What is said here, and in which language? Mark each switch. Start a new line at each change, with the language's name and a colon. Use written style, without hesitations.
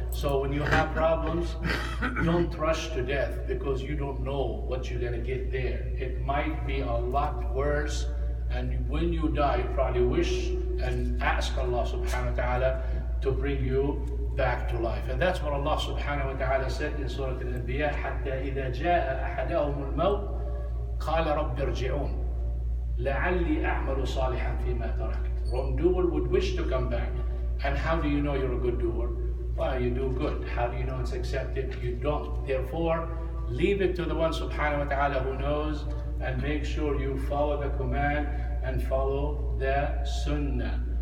English: So when you have problems, don't rush to death, because you don't know what you're gonna get there. It might be a lot worse. And when you die, you probably wish and ask Allah subhanahu wa ta'ala to bring you back to life. And that's what Allah subhanahu wa ta'ala said in Surah Al-Anbiya,
Arabic: حَتَّى إِذَا جَاءَ أَحَدَهُمُ الْمَوْتِ قَالَ رَبِّ ارْجِعُونَ لَعَلِّي أَعْمَلُ صَالِحًا فِي مَا تَرَكْتِ.
English: Wrongdoer would wish to come back. And how do you know you're a good doer? Well, you do good. How do you know it's accepted? You don't. Therefore, leave it to the one subhanahu wa ta'ala who knows, and make sure you follow the command and follow the sunnah.